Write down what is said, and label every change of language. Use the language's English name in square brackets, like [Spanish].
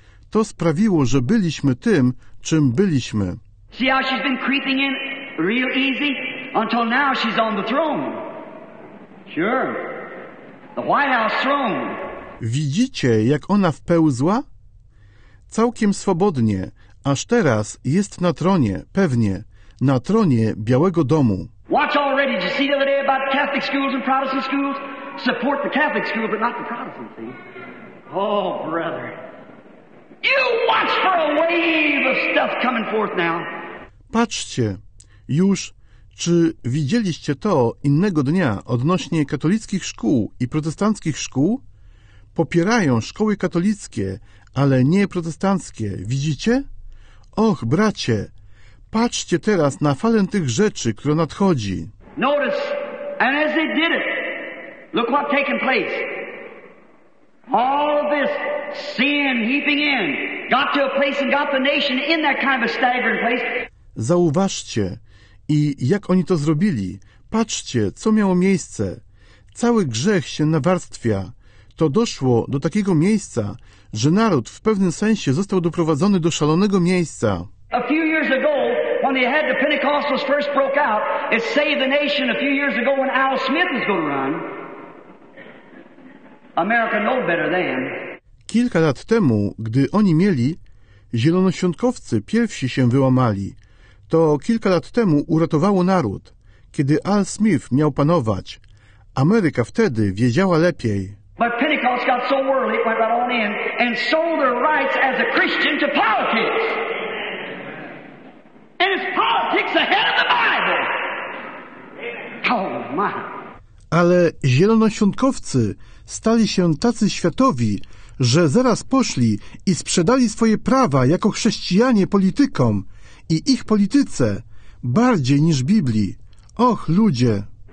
[Polish] To sprawiło, że byliśmy tym, czym byliśmy. [English] See how she's been creeping in real easy until now she's on the throne. Sure. The White House throne. [Polish] Widzicie, jak ona wpełzła? Całkiem swobodnie, aż teraz jest na tronie, pewnie, na tronie Białego Domu. [English] Watch already. Did you see the other day about Catholic schools and Protestant schools? Support the Catholic school, but not the Protestant thing. Oh, brother. You watch for a wave of stuff coming forth now. [Polish] Patrzcie, już. Czy widzieliście to innego dnia odnośnie katolickich szkół i protestanckich szkół? Popierają szkoły katolickie, ale nie protestanckie, widzicie? Och, bracie, patrzcie teraz na falę tych rzeczy, która nadchodzi. [English] Notice, and as they did it, look what taken place. All this sin heaping in, got to a place and got the nation in that kind of a staggering place. [Polish] Zauważcie, i jak oni to zrobili? Patrzcie, co miało miejsce. Cały grzech się nawarstwia. To doszło do takiego miejsca, że naród w pewnym sensie został doprowadzony do szalonego miejsca. [English] A few years ago, when they had the Pentecostals first broke out, it saved the nation a few years ago when Al Smith was going to run. America no better than. [Polish] Kilka lat temu, gdy oni mieli, zielonoświątkowcy pierwsi się wyłamali. To kilka lat temu uratowało naród, kiedy Al Smith miał panować. Ameryka wtedy wiedziała lepiej. [English] But Pentecost got so worldly, it went right on in, and sold their rights as a Christian to politics. And it's politics ahead of the Bible. Oh my. [Polish] Ale zielonoświątkowcy stali się tacy światowi, że zaraz poszli i sprzedali swoje prawa jako chrześcijanie politykom. I ich polityce bardziej niż Biblii. Och, ludzie!